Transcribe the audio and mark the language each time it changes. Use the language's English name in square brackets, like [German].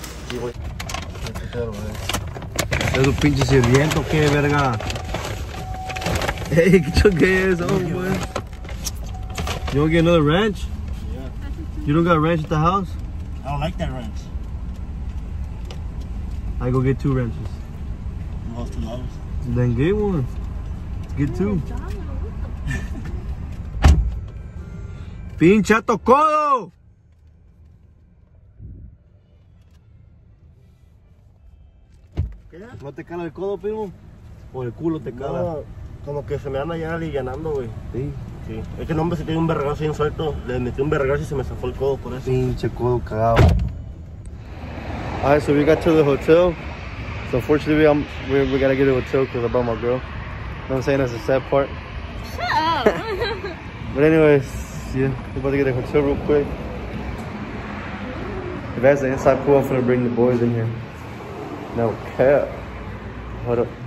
[Spanish] Sí, güey. ¿Es un pinche sirviente o qué, verga? Hey, ¿qué choque es eso, güey? [English] You want to get another ranch? Yeah. You don't got a ranch at the house? I don't like that ranch. I go get two ranches. Most of those. Then get one. Get two. Oh, [Spanish] pinche tocado! ¿Qué? ¿No te cala el codo, primo? ¿O el culo te cala? No, como que se me anda ya alivianando, güey. ¿Sí? Sí. Es que no, hombre, si tiene un vergazo bien suelto. Le metí un vergazo y se me zafó el codo por eso. Pinche codo cagado. [English] All right, so we got to the hotel. So unfortunately, we gotta get a hotel because I brought my girl. You know what I'm saying? That's the sad part. Shut up! But anyways, yeah. We're about to get a hotel real quick. If that's the inside pool, I'm gonna bring the boys in here. No care. Hold up.